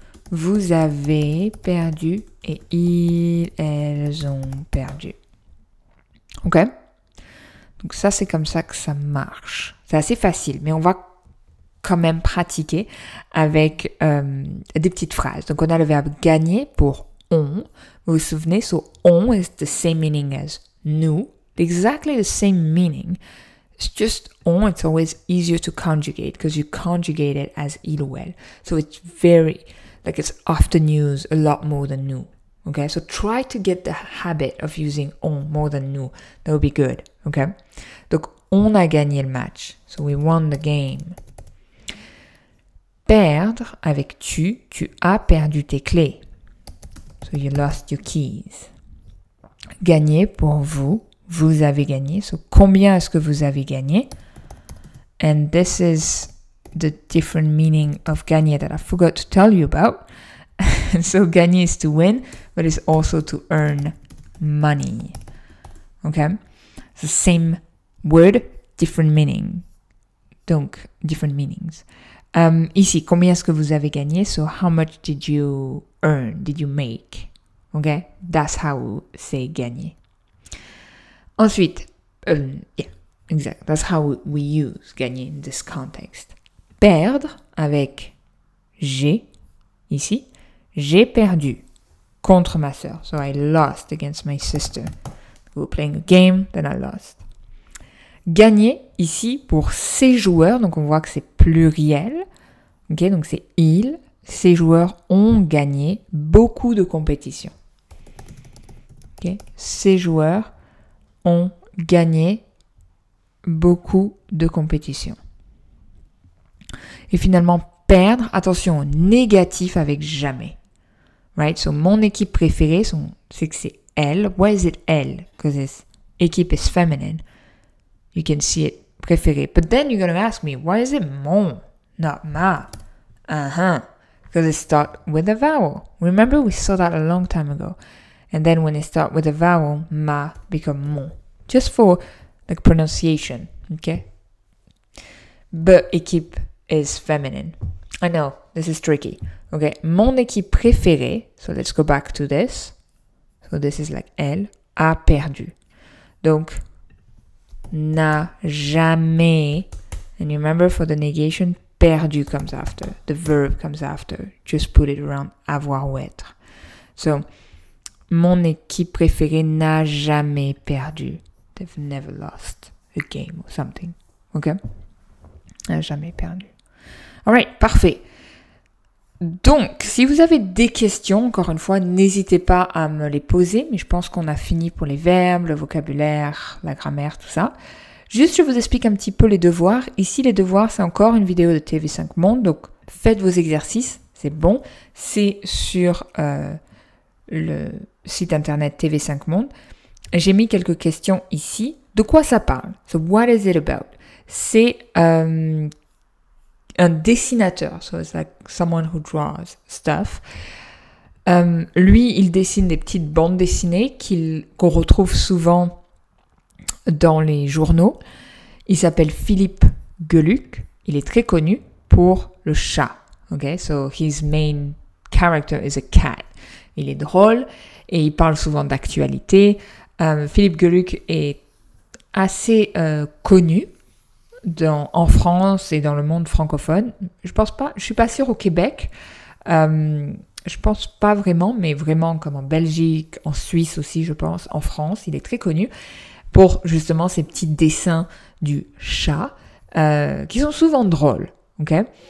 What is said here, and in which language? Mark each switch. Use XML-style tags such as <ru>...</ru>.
<fr>Vous avez perdu et ils, elles ont perdu. Ok? Donc ça, c'est comme ça que ça marche. C'est assez facile, mais on va quand même pratiquer avec des petites phrases. Donc on a le verbe gagner pour on.</fr> <en>Vous vous souvenez, so on is the same meaning as nous. Exactly the same meaning. It's just on, it's always easier to conjugate because you conjugate it as il ou elle. So it's very... like it's often used a lot more than nous. Okay, so try to get the habit of using on more than nous. That would be good.</en> <fr>Okay, donc on a gagné le match. So we won the game. Perdre avec tu, tu as perdu tes clés.</fr> <en>So you lost your keys. Gagner pour vous, vous avez gagné.</en> <fr>So combien est-ce que vous avez gagné?</fr> <en>And this is the different meaning of gagner that I forgot to tell you about. So gagner is to win, but it's also to earn money. Okay? The same word, different meaning. Donc, different meanings.</en> <fr>Ici, combien est-ce que vous avez gagné?</fr> <en>So how much did you earn? Did you make? Okay? That's how c'est gagner. Ensuite, exactly. That's how we use gagner in this context.</en> <fr>Perdre avec j'ai ici. J'ai perdu contre ma sœur.</fr> <en>So I lost against my sister. We're playing a game, then I lost.</en> <fr>Gagner ici pour ces joueurs. Donc on voit que c'est pluriel. Ok, donc c'est ils. Ces joueurs ont gagné beaucoup de compétitions. Ok, ces joueurs ont gagné beaucoup de compétitions. Et finalement, perdre. Attention, négatif avec jamais. Right, so mon équipe préférée, c'est que c'est elle. Why is it elle?</fr> <en>Because this équipe is feminine. You can see it préférée. But then you're going to ask me, why is it mon, not ma? Because it starts with a vowel. Remember, we saw that a long time ago. And then when it starts with a vowel, ma become mon. Just for like pronunciation, okay? But équipe is feminine. I know, this is tricky. Okay, mon équipe préférée, so let's go back to this. So this is like elle, a perdu. Donc, n'a jamais, and you remember for the negation, perdu comes after, the verb comes after. Just put it around avoir ou être. So, mon équipe préférée n'a jamais perdu. They've never lost a game or something.</en> <fr>Okay? N'a jamais perdu. Alright, parfait. Donc, si vous avez des questions, encore une fois, n'hésitez pas à me les poser. Mais je pense qu'on a fini pour les verbes, le vocabulaire, la grammaire, tout ça. Juste, je vous explique un petit peu les devoirs. Ici, les devoirs, c'est encore une vidéo de TV5 Monde. Donc, faites vos exercices, c'est bon. C'est sur le site internet TV5 Monde. J'ai mis quelques questions ici. De quoi ça parle? So, what is it about? C'est...</fr> <en>un dessinateur, so it's like someone who draws stuff.</en> <fr>Lui, il dessine des petites bandes dessinées qu'on retrouve souvent dans les journaux. Il s'appelle Philippe Geluck. Il est très connu pour le chat.</fr> <en>Okay, so his main character is a cat.</en> <fr>Il est drôle et il parle souvent d'actualité. Philippe Geluck est assez connu. En France et dans le monde francophone. Je pense pas, je suis pas sûre au Québec. Je pense pas vraiment, mais vraiment comme en Belgique, en Suisse aussi, je pense, en France, il est très connu pour justement ces petits dessins du chat qui sont souvent drôles. Okay?</fr>